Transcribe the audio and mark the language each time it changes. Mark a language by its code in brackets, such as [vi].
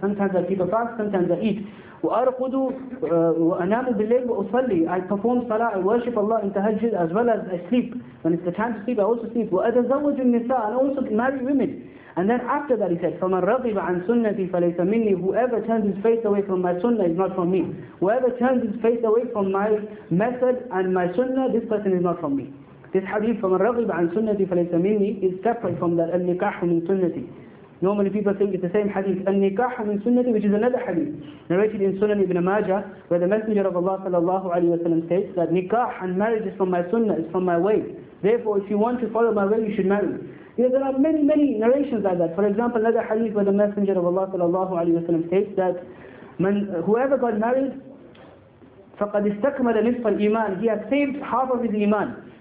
[en] Sometimes I keep a fast, sometimes I eat. [ar] وَأَرْقُدُ وَأَنَامُ بِاللَّيْلِ وَأُصَلِّي, [en] I perform salah, I worship Allah in tahajjud as well as I sleep. When it's the time to sleep, I also sleep. [ar] وَأَتَزَوَّجُ النِّسَاءَ, [en] and I also marry women. And then after that he said, [ar] فَمَنْ رَضِبَ عَنْ سُنَّةِ فَلَيْسَ مِنِّي, [en] whoever turns his face away from my sunnah is not from me. Whoever turns his face away from my method and my sunnah, this person is not from me. This hadith, [ar] فَمَنْ رَضِبَ عَنْ سُنَّةِ فَلَيْسَ مِنِّي, [en] is separate from the [ar] النِّكَاحُ مِنْ سُنَّةِ. [en] Normally people think it's the same hadith, al-nikah min sunnati, which is another hadith narrated in Sunan Ibn Majah, where the Messenger of Allah sallallahu alayhi wa sallam states that nikah and marriage is from my sunnah, is from my way. Therefore, if you want to follow my way, you should marry. Yeah, there are many, many narrations like that. For example, another hadith where the Messenger of Allah sallallahu alayhi wa sallam states that whoever got married, [ar] فَقَدْ اسْتَكْمَلَ نِصْفَ الْإِيمَانِ, [en] he has saved half of his iman.